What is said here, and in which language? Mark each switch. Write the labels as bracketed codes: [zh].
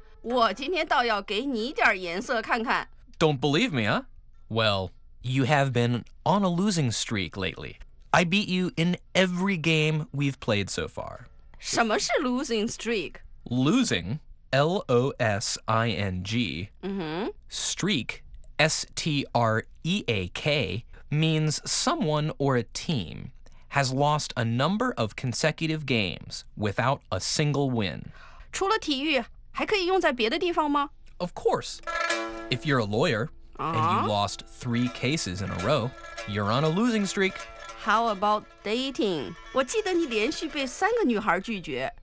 [zh] 我今天倒要给你点颜色看看。 [en] Don't believe me, huh? Well, you have been on a losing streak lately. I beat you in every game we've played so far. [zh] 什么是 losing streak? [en] Losing, L-O-S-I-N-G, streak, S-T-R-E-A-K, means someone or a team has lost a number of consecutive games without a single win. [zh] 除了体育,还可以用在别的地方吗? [en] Of course. If you're a lawyer, and you lost three cases in a row, you're on a losing streak. How about dating? [zh] 我记得你连续被三个女孩拒绝。